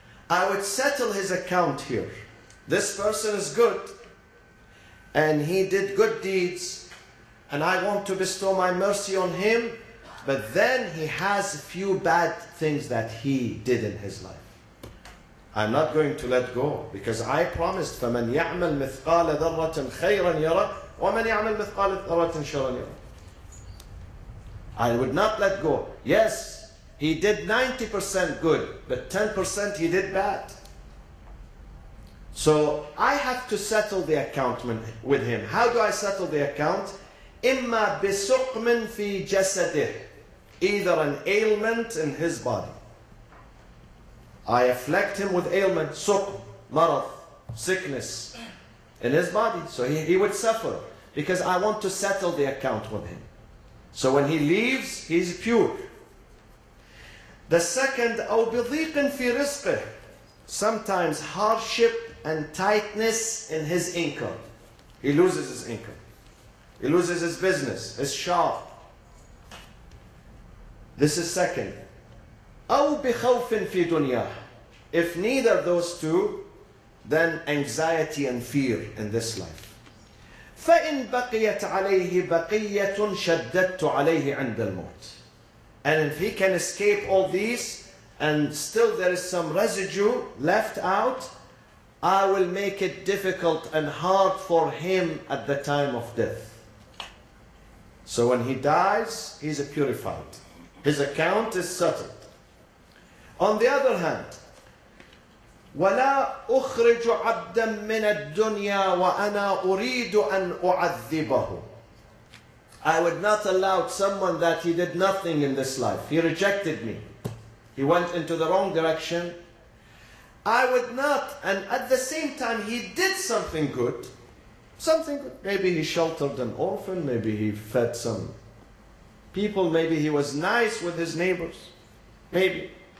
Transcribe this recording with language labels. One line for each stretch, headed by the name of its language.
English: I would settle his account here. This person is good and he did good deeds and I want to bestow my mercy on him, but then he has a few bad things that he did in his life. I'm not going to let go because I promised,
Arabic: فَمَنْ يَعْمَلْ مِثْقَالَ ذَرَّةٍ خَيْرًا يَرَى وَمَنْ يَعْمَلْ مِثْقَالَ ذَرَّةٍ شَرًا يَرَى.
English: I would not let go. Yes, he did 90% good, but 10% he did bad. So I have to settle the account with him. How do I settle the account?
Arabic: إِمَّا بِسُقْمٍ فِي جَسَدِهِ.
English: Either an ailment in his body. I afflict him with ailment,
Arabic: سُقْم, مَرَض,
English: sickness in his body. So he would suffer because I want to settle the account with him. So when he leaves, he's pure. The second,
Arabic: أَوْ بِضِيقٍ فِي رِزْقِهِ.
English: Sometimes hardship and tightness in his income. He loses his income. He loses his business, his shop. This is second.
Arabic: أو بخوف في دنيا.
English: If neither those two, then anxiety and fear in this life.
Arabic: فإن بقيت عليه بقية شددت عليه عند الموت.
English: And if he can escape all these, and still there is some residue left out, I will make it difficult and hard for him at the time of death. So when he dies, he's a purified. His account is settled. On the other hand,
Arabic: وَلَا أُخْرِجُ عَبْدًا مِنَ الدُّنْيَا وَأَنَا أُرِيدُ أَنْ أُعَذِّبَهُ.
English: I would not allow someone that he did nothing in this life. He rejected me. He went into the wrong direction. I would not, and at the same time, he did something good. Something, maybe he sheltered an orphan, maybe he fed some people, maybe he was nice with his neighbors, maybe.